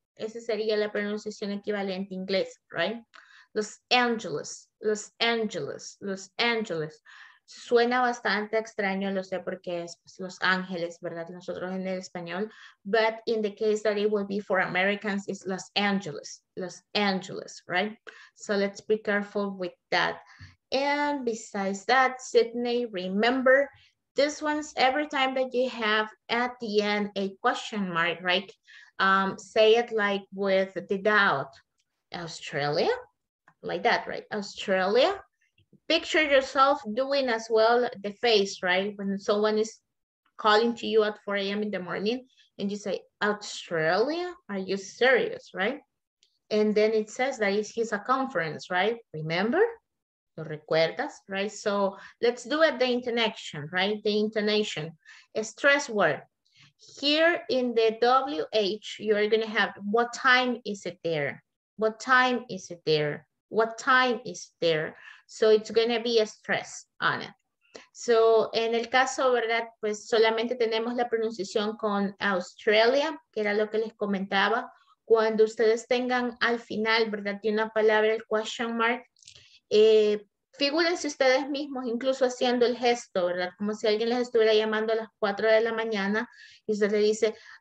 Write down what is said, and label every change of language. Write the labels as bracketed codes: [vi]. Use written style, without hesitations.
[es] Ese sería la pronunciación equivalente en inglés, right? Los Angeles, Los Angeles, Los Angeles. Suena bastante extraño, lo sé, porque es Los Ángeles, ¿verdad? Nosotros en el español. [en] But in the case that it will be for Americans, it's Los Angeles. Los Angeles, right? So let's be careful with that. And besides that, Sydney, remember, this one's every time that you have at the end a question mark, right? Say it like with the doubt. Australia? Like that, right? Australia? Picture yourself doing as well the face, right? When someone is calling to you at 4 a.m. in the morning and you say, Australia, are you serious, right? And then it says that it's a conference, right? Remember? [es] ¿Lo recuerdas, [en] right? So let's do it the intonation, right? The intonation. A stress word. Here in the WH, you're going to have what time is it there? What time is it there? What time is there? So it's going to be a stress on it. [es] So en el caso, ¿verdad? Pues solamente tenemos la pronunciación con Australia, que era lo que les comentaba. Cuando ustedes tengan al final, ¿verdad? De una palabra el question mark, figúrense ustedes mismos incluso haciendo el gesto, ¿verdad? Como si alguien les estuviera llamando a las 4 de la mañana y usted le dice,